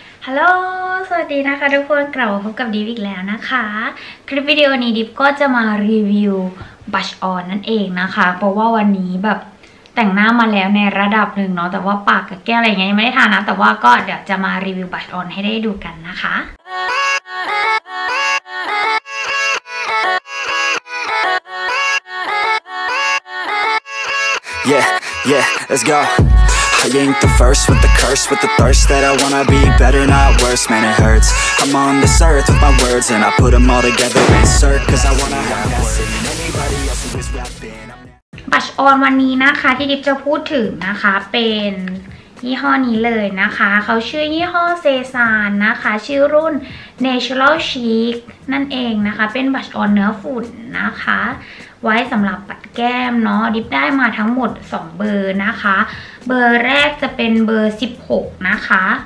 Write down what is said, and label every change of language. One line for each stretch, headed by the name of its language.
Thai: ฮัลโหลสวัสดีนะคะทุกคนกลับมาพบกับดิฟอีกแล้วนะคะคลิปวิดีโอนี้ดิฟก็จะมารีวิวบัชออนนั่นเองนะคะเพราะว่าวันนี้แบบแต่งหน้ามาแล้วในระดับหนึ่งเนาะแต่ว่าปากกับแก้วอะไรเงี้ยยังไม่ได้ทานะแต่ว่าก็เดี๋ยวจะมารีวิวบัชออนให้ได้ดูกันนะคะ
English: Yeah, let's go. I ain't the first with the curse, with the thirst that I wanna be better, not worse. Man, it hurts. I'm on this earth with my words, and I put them all together, insert, 'cause I wanna have words. Anybody else who is rapping?
Thai: บัชออนวันนี้นะคะที่ดิฟจะพูดถึงนะคะเป็นยี่ห้อนี้เลยนะคะเขาชื่อยี่ห้อเซซานนะคะชื่อรุ่น Natural Chic นั่นเองนะคะเป็นบัชออนเนื้อฝุ่นนะคะไว้สำหรับปัดแก้มเนาะดิฟได้มาทั้งหมด2เบอร์นะคะเบอร์แรกจะเป็นเบอร์16นะคะ